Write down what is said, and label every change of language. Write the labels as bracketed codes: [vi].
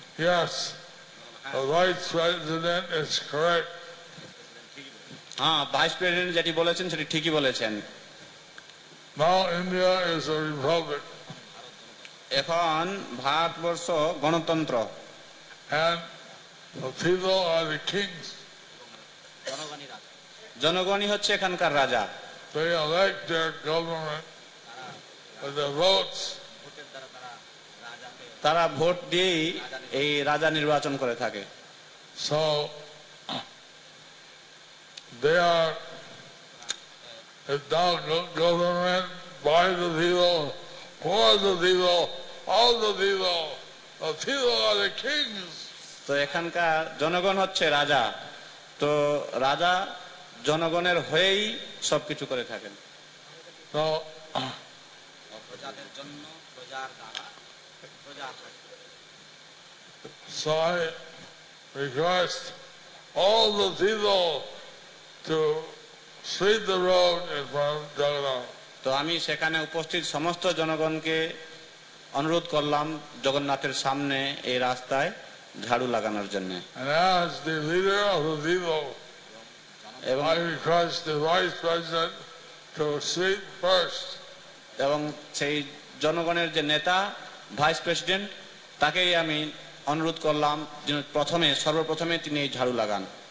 [en] Yes, the vice president is correct. [bn] হ্যাঁ, vice president যেটি বলেছেন সেটি ঠিকই বলেছেন। [en] Now India is a republic. [bn] এখন ভারতবর্ষ গণতন্ত্র। [en] And the people are the kings. [bn] জনগণই হচ্ছে এখানকার রাজা। [en] They elect their government with the votes. [bn] তারা ভোট দিয়েই এই রাজা নির্বাচন করে থাকে। [en] So they are adopted government by the people, for the people, all the people. The people are the kings. [bn] তো এখানকার জনগণ হচ্ছে রাজা। তো রাজা জনগণের হয়েই সব কিছু করে থাকেন। তো প্রজাদের জন্য, প্রজার দ্বারা, প্রজা [en] So I request all the people to sweep the road in front of Jagannath. [bn] তো আমি সেখানে উপস্থিত সমস্ত জনগণকে অনুরোধ করলাম জগন্নাথের সামনে এই রাস্তায় ঝাড়ু লাগানোর জন্য। [en] And as the leader of the people, I request the vice president to sweep first. [bn] এবং সেই জনগণের যে নেতা ভাইস প্রেসিডেন্ট তাকেই আমি অনুরোধ করলাম যিনি প্রথমে সর্বপ্রথমে তিনি এই ঝাড়ু লাগান।